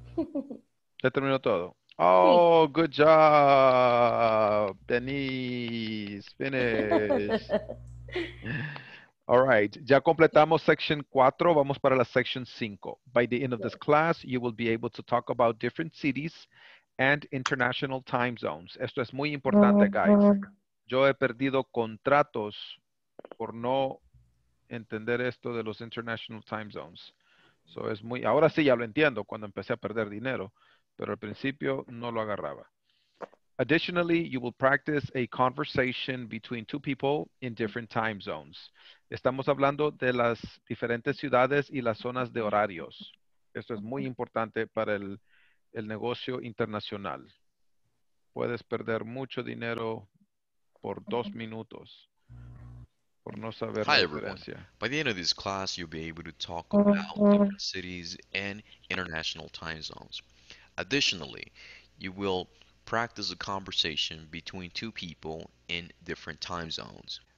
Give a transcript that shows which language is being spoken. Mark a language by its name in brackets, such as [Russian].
[Spanish] Ya terminó todo. Oh, sí. [English] Good job, [Spanish] Denise. [English] Finish. All right, [Spanish] ya completamos section 4, vamos para la section 5. [English] By the end of this class, you will be able to talk about different cities and international time zones. [Spanish] Esto es muy importante, guys. Yo he perdido contratos por no entender esto de los international time zones. So es muy, ahora sí ya lo entiendo cuando empecé a perder dinero, pero al principio no lo agarraba. [English] Additionally, you will practice a conversation between two people in different time zones. [Spanish] Estamos hablando de las diferentes ciudades y las zonas de horarios. Esto es muy importante para el negocio internacional. Puedes perder mucho dinero por dos minutos por no saber la diferencia. [English] By the end of this class, you'll be able to talk about different cities and international time zones. Additionally, you will practice a conversation between two people in different time zones.